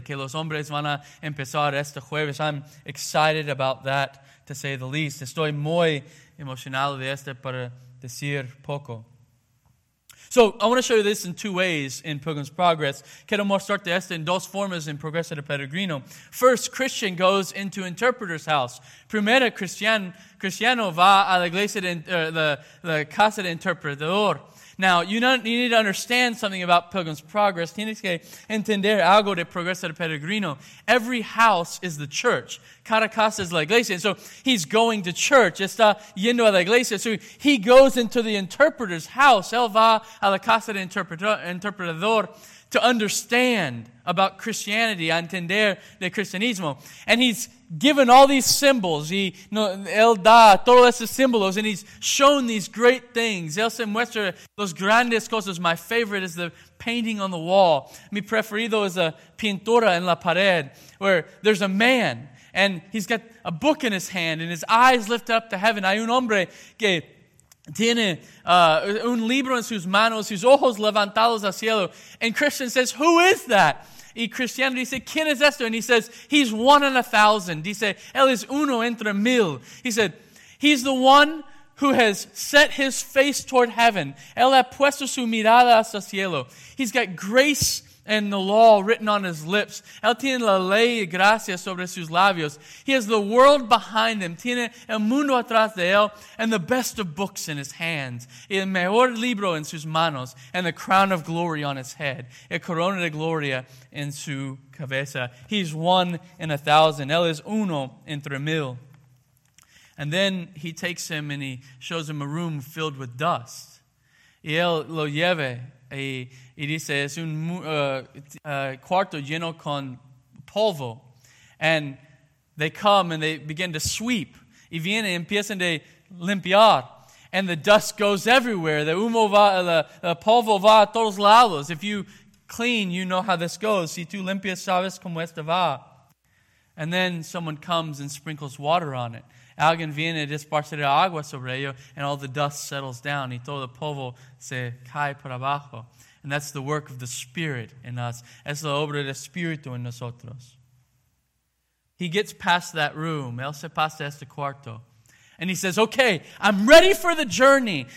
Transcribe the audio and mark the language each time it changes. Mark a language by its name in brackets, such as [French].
[Spanish] Que los hombres van a empezar este jueves. [English] I'm excited about that, to say the least. [Spanish] Estoy muy emocionado de este, para decir poco. [English] So I want to show you this in two ways in Pilgrim's Progress. [Spanish] Quiero mostrarte esto en dos formas en Progreso de Peregrino. [English] First, Christian goes into interpreter's house. [Spanish] Primero, Cristiano va a la iglesia de la casa de interpretador. [English] Now, you need to understand something about Pilgrim's Progress. [Spanish] Tienes que entender algo de Progreso de Peregrino. [English] Every house is the church. [Spanish] Cada casa es la iglesia. [English] And so he's going to church. [Spanish] Está yendo a la iglesia. [English] So he goes into the interpreter's house. [Spanish] Él va a la casa de interpretador [English] to understand about Christianity, [Spanish] a entender de cristianismo. [English] And he's given all these symbols. [Spanish] Él da todos esos símbolos, [English] and he's shown these great things. [Spanish] Él se muestra los grandes cosas. [English] My favorite is the painting on the wall. [Spanish] Mi preferido es la pintura en la pared, [English] where there's a man, and he's got a book in his hand, and his eyes lift up to heaven. [Spanish] Hay un hombre que tiene un libro en sus manos, sus ojos levantados al cielo. [English] And Christian says, who is that? [Spanish] Y Cristiano dice, ¿quién es esto? [English] And he says, he's one in a thousand. [Spanish] Dice, él es uno entre mil. [English] He said, he's the one who has set his face toward heaven. [Spanish] Él ha puesto su mirada hacia el cielo. [English] He's got grace and the law written on his lips. [Spanish] Él tiene la ley y gracia sobre sus labios. [English] He has the world behind him. [Spanish] Tiene el mundo atrás de él. [English] And the best of books in his hands. [Spanish] Y el mejor libro en sus manos. [English] And the crown of glory on his head. [Spanish] El corona de gloria en su cabeza. [English] He's one in a thousand. [Spanish] Él es uno entre mil. [English] And then he takes him and he shows him a room filled with dust. [Spanish] Y él lo lleva. Y dice, es un cuarto lleno con polvo. [English] And they come and they begin to sweep. [Spanish] Y viene y empiezan de limpiar. [English] And the dust goes everywhere. The humo va, [Spanish] el polvo va a todos lados. [English] If you clean, you know how this goes. [Spanish] Si tú limpias, sabes cómo esto va. [English] And then someone comes and sprinkles water on it. [Spanish] Alguien viene y disparce de agua sobre ello, [English] and all the dust settles down. [Spanish] Y todo el polvo se cae por abajo. [English] And that's the work of the Spirit in us. [Spanish] Es la obra del Espíritu en nosotros. [English] He gets past that room. [Spanish] Él se pasa este cuarto. [English] And he says, okay, I'm ready for the journey.